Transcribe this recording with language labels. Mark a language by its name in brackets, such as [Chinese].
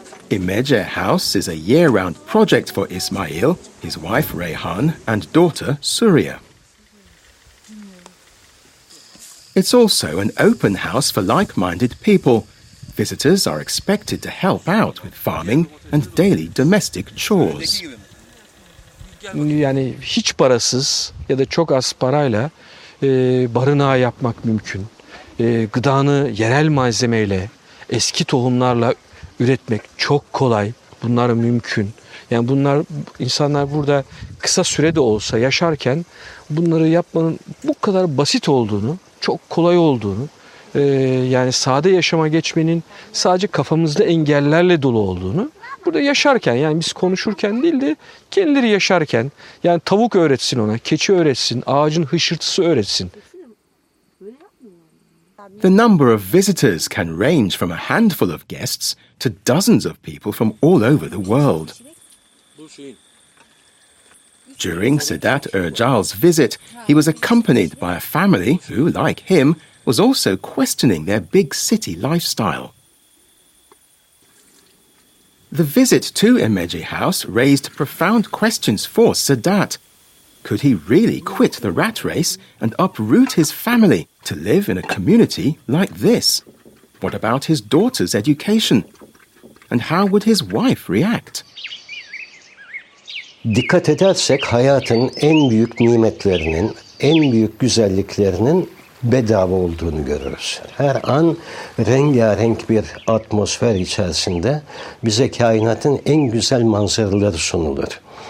[English] Imece House is a year-round project for İsmail, his wife Reyhan, and daughter Surya. It's also an open house for like-minded people. Visitors are expected to help out with farming and daily domestic chores. [Turkish] Yani hiç parasız ya da çok az parayla barınağı yapmak mümkün. Gıdanı yerel malzemeyle, eski tohumlarla üretmek çok kolay. Bunlar mümkün. Yani bunlar, insanlar burada kısa sürede olsa yaşarken bunları yapmanın bu kadar basit olduğunu, çok kolay olduğunu, yani sade yaşama geçmenin sadece kafamızda engellerle dolu olduğunu, burada yaşarken, yani biz konuşurken değil de kendileri yaşarken, yani tavuk öğretsin ona, keçi öğretsin, ağacın hışırtısı öğretsin. [English] The number of visitors can range from a handful of guests to dozens of people from all over the world. During Sedat Ercal's visit, he was accompanied by a family who, like him, was also questioning their big city lifestyle. The visit to Emeci House raised profound questions for Sedat. Could he really quit the rat race and uproot his family to live in a community like this? What about his daughter's education? And how would his wife react? [Turkish] Dikkat edersek hayatın en büyük nimetlerinin, en büyük güzelliklerinin bedava olduğunu görürüz. Her an rengarenk bir atmosfer içerisinde bize kainatın en güzel manzaraları sunulur.